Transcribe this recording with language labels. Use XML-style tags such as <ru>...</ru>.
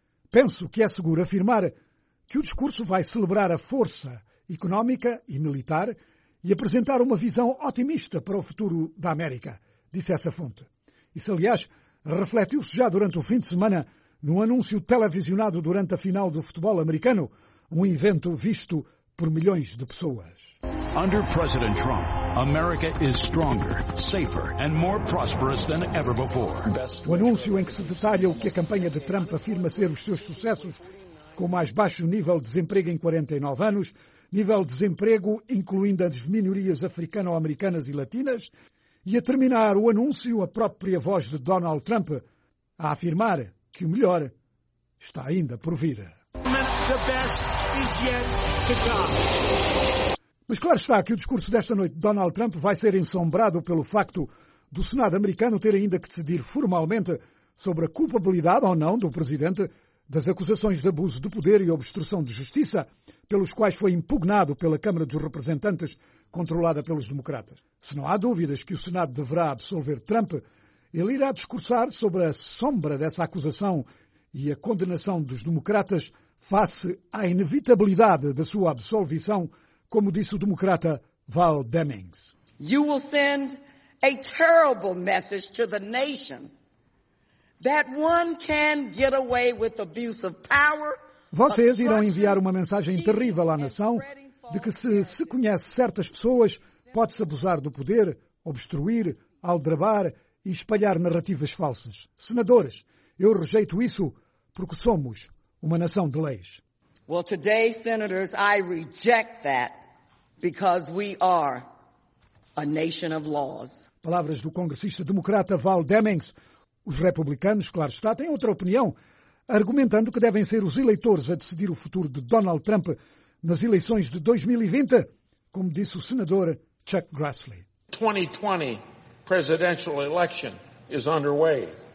<pt>Penso que é seguro afirmar que o discurso vai celebrar a força económica e militar e apresentar uma visão otimista para o futuro da América, disse essa fonte. Isso, aliás, refletiu-se já durante o fim de semana num anúncio televisionado durante a final do futebol americano, um evento visto por milhões de pessoas.</pt> <en>Under President Trump, America is stronger, safer and more prosperous than ever before.</en> <pt>O anúncio em que se detalha o que a campanha de Trump afirma ser os seus sucessos, com mais baixo nível de desemprego em 49 anos, nível de desemprego incluindo as minorias africano-americanas e latinas. E a terminar o anúncio, a própria voz de Donald Trump a afirmar que o melhor está ainda por vir. Mas claro está que o discurso desta noite de Donald Trump vai ser ensombrado pelo facto do Senado americano ter ainda que decidir formalmente sobre a culpabilidade ou não do presidente das acusações de abuso de poder e obstrução de justiça, pelos quais foi impugnado pela Câmara dos Representantes, controlada pelos democratas. Se não há dúvidas que o Senado deverá absolver Trump, ele irá discursar sobre a sombra dessa acusação e a condenação dos democratas face à inevitabilidade da sua absolvição, como disse o democrata Val Demings.</pt> <en>You will send a terrible message to the nation that one can get away with abuse of power.</en> <pt>Vocês irão enviar uma mensagem terrível à nação de que se conhece certas pessoas, pode-se abusar do poder, obstruir, aldrabar e espalhar narrativas falsas. Senadores, eu rejeito isso porque somos uma nação de leis.</pt> <en>Well, today, senators, I reject that because we are a nation of laws.</en> <pt>Palavras do congressista democrata Val Demings. Os republicanos, claro está, têm outra opinião, argumentando que devem ser os eleitores a decidir o futuro de Donald Trump nas eleições de 2020, como disse o senador Chuck Grassley.</pt> <en>2020 presidential election is underway.</en>